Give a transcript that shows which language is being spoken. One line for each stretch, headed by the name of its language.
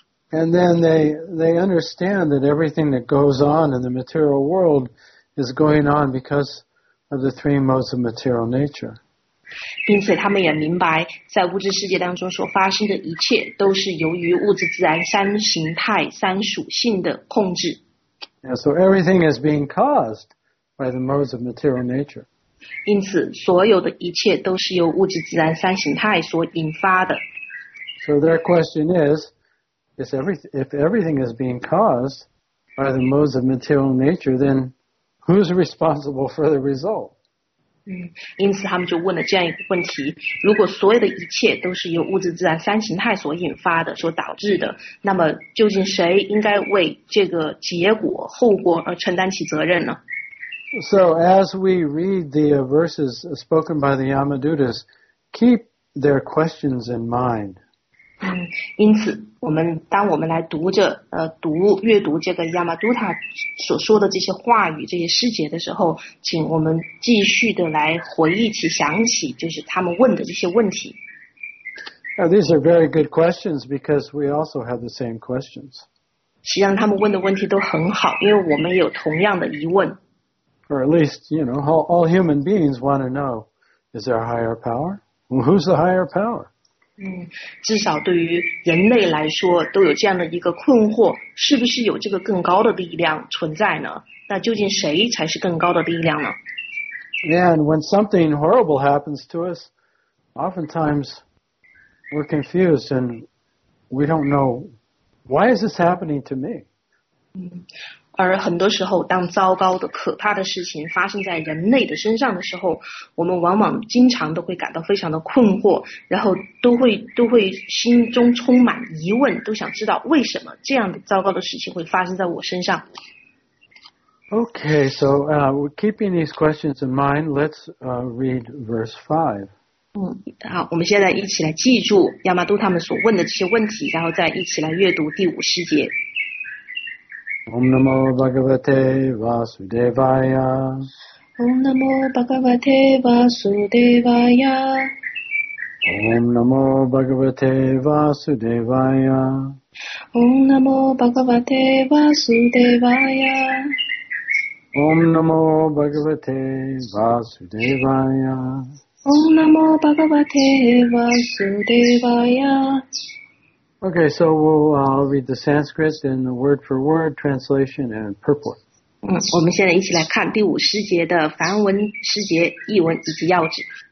English: And then they understand that everything that goes on in the material world is going on becauseof the three modes of material nature.
Chinese: 因此他们也明白在物质世界当中所发生的一切都是由于物质自然三形态三属性的控制。
English: Yeah, so everything is being caused by the modes of material nature.
Chinese: 因此所有的一切都是由物质自然三形态所引发的。
English: So their question is, if everything is being caused by the modes of material nature, thenWho's responsible for the result?
Chinese: 因此他们就问了这样一个问题，如果所有的一切都是由物质自然三形态所引发的，所导致的，那么究竟谁应该为这个结果、后果而承担起责任呢？
English: So as we read the verses spoken by the Yamadutas, keep their questions in mind.
Chinese: 因此当我们来阅读这个亚玛都塔所说的这些话语这些诗节的时候，请我们继续的来回忆起想起就是他们问的这些问题。
English: Now, these are very good questions because we also have the same questions.
Chinese: 实际上他们问的问题都很好，因为我们有同样的疑问。
English: Or at least, you know, all human beings want to know, is there a higher power? Well, who's the higher power?
Chinese: 至少对于人类来说都有这样的一个困惑，是不是有这个更高的力量存在呢？那究竟谁才是更高的力量呢？
English: And when something horrible happens to us, oftentimes we're confused and we don't know why is this happening to me?
Chinese: 而很多时候当糟糕的可怕的事情发生在人类的身上的时候，我们往往经常都会感到非常的困惑，然后都会心中充满疑问，都想知道为什么这样的糟糕的事情会发生在我身上。
English: Okay, so keeping these questions in mind, let's read verse 5.
Chinese: 好，我们现在一起来记住亚麻都他们所问的这些问题，然后再一起来阅读第五十节。
Sanskrit: Om namo bhagavate vasudevaya. Om namo bhagavate vasudevaya. Om namo bhagavate vasudevaya. Om namo bhagavate vasudevaya. Om namo bhagavate vasudevaya. Om namo bhagavate vasudevaya.
English: Okay, so I'll read the Sanskrit and the word for word translation and purport.
Chinese: 我们现在一起来看第五十节的梵文十节译文以及要旨。